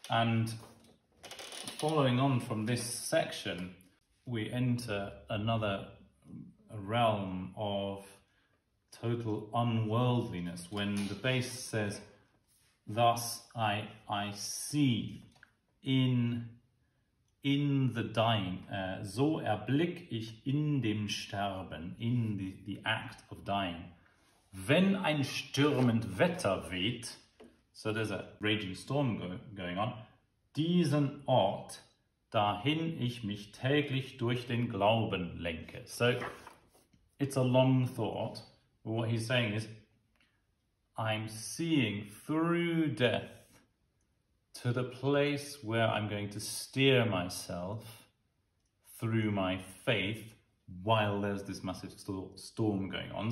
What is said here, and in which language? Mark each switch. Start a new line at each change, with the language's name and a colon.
English: And following on from this section, we enter another realm of total unworldliness when the bass says, thus I see in the dying,
German: so erblick ich in dem Sterben,
English: in the act of dying.
German: Wenn ein stürmend Wetter weht,
English: so there's a raging storm going on,
German: diesen Ort, dahin ich mich täglich durch den Glauben lenke.
English: So it's a long thought, but what he's saying is, I'm seeing through death to the place where I'm going to steer myself through my faith while there's this massive storm going on.